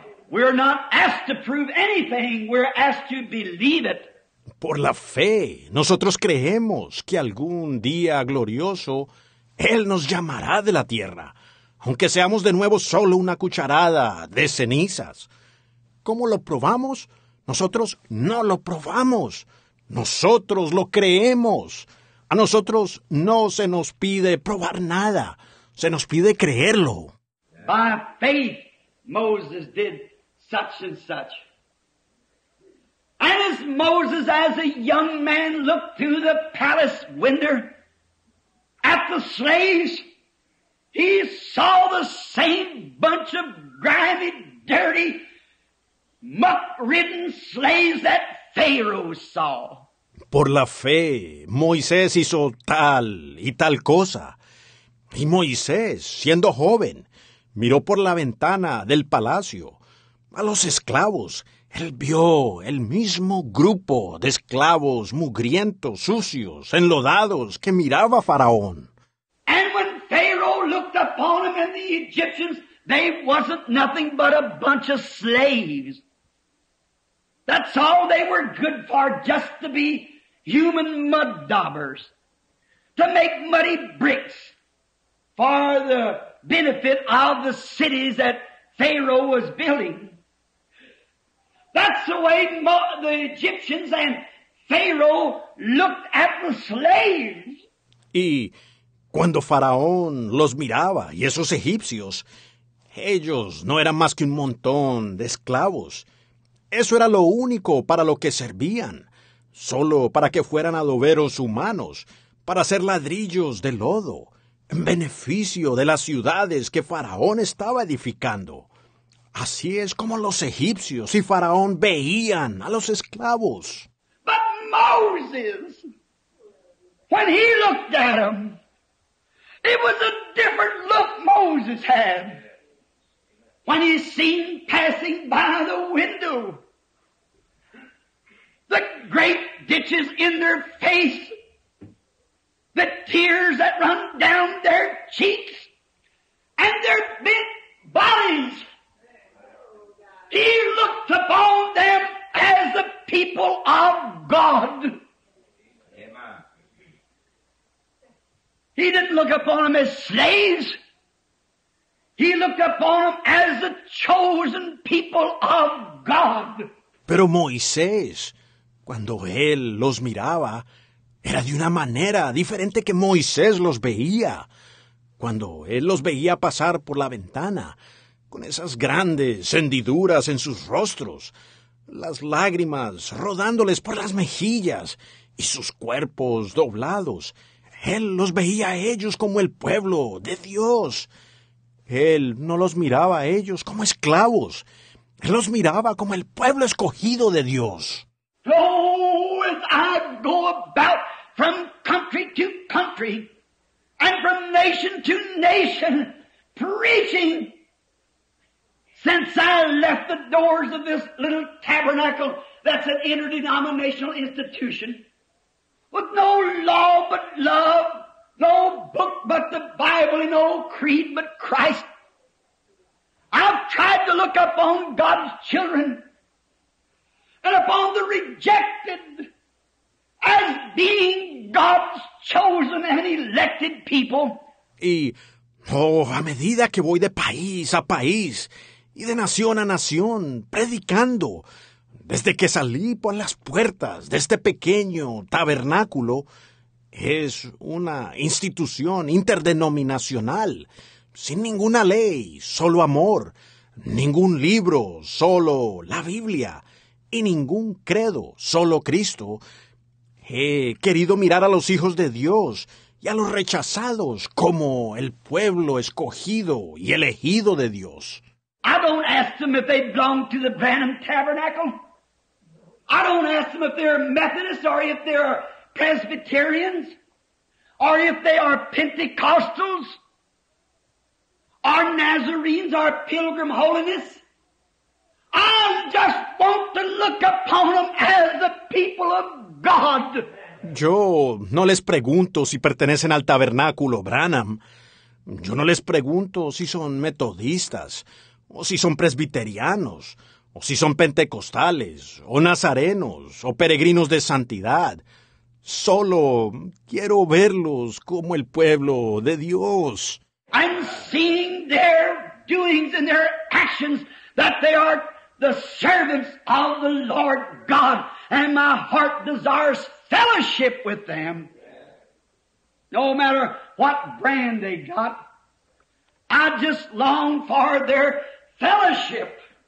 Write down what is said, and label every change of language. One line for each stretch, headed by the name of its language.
English: We're not asked to prove anything. We're asked to believe it.
Spanish: Por la fe, nosotros creemos que algún día glorioso, él nos llamará de la tierra, aunque seamos de nuevo solo una cucharada de cenizas. ¿Cómo lo probamos? Nosotros no lo probamos. Nosotros lo creemos. A nosotros no se nos pide probar nada. Se nos pide creerlo.
English: By faith, Moses did such and such. And as Moses, as a young man, looked through the palace window at the slaves, he saw the same bunch of grimy, dirty, muck-ridden slaves that Pharaoh saw.
Spanish: Por la fe, Moisés hizo tal y tal cosa. Y Moisés, siendo joven, miró por la ventana del palacio a los esclavos. Él vio el mismo grupo de esclavos mugrientos, sucios, enlodados que miraba Faraón.
English: And when Pharaoh looked upon them and the Egyptians, they wasn't nothing but a bunch of slaves. That's all they were good for, just to be human mud daubers, to make muddy bricks for the benefit of the cities that Pharaoh was building. That's the way the Egyptians and Pharaoh looked at the slaves.
Spanish: Y cuando Faraón los miraba y esos egipcios, ellos no eran más que un montón de esclavos. Eso era lo único para lo que servían, solo para que fueran adoberos humanos, para hacer ladrillos de lodo, en beneficio de las ciudades que Faraón estaba edificando. Así es como los egipcios y Faraón veían a los esclavos.
English: But Moses, when he looked at them, it was a different look Moses had when he seen passing by the window the great ditches in their face, the tears that run down their cheeks, and their bent bodies. He looked upon them as the people of God. Amen. He didn't look upon them as slaves. He looked upon them as the chosen people of God.
Spanish: Pero Moisés, cuando él los miraba, era de una manera diferente que Moisés los veía. Cuando él los veía pasar por la ventana, con esas grandes hendiduras en sus rostros, las lágrimas rodándoles por las mejillas y sus cuerpos doblados, él los veía a ellos como el pueblo de Dios. Él no los miraba a ellos como esclavos. Él los miraba como el pueblo escogido de Dios.
English: Oh, as I go about from country to country and from nation to nation preaching, since I left the doors of this little tabernacle that's an interdenominational institution, with no law but love, no book but the Bible, and no creed but Christ, I've tried to look upon God's children and upon the rejected as being God's chosen and elected people.
Spanish: Y, a medida que voy de país a país y de nación a nación, predicando, desde que salí por las puertas de este pequeño tabernáculo, es una institución interdenominacional, sin ninguna ley, solo amor, ningún libro, solo la Biblia, y ningún credo, solo Cristo. He querido mirar a los hijos de Dios y a los rechazados como el pueblo escogido y elegido de Dios.
English: I don't ask them if they belong to the Branham Tabernacle. I don't ask them if they're Methodists or if they're Presbyterians or if they are Pentecostals or Nazarenes or Pilgrim Holiness. I just want to look upon them as the people of God.
Spanish: Yo no les pregunto si pertenecen al tabernáculo Branham. Yo no les pregunto si son metodistas, o si son presbiterianos, o si son pentecostales, o nazarenos, o peregrinos de santidad. Solo quiero verlos como el pueblo de Dios.
English: I'm seeing their doings and their actions that they are the servants of the Lord God, and my heart desires fellowship with them. No matter what brand they got, I just long for their fellowship.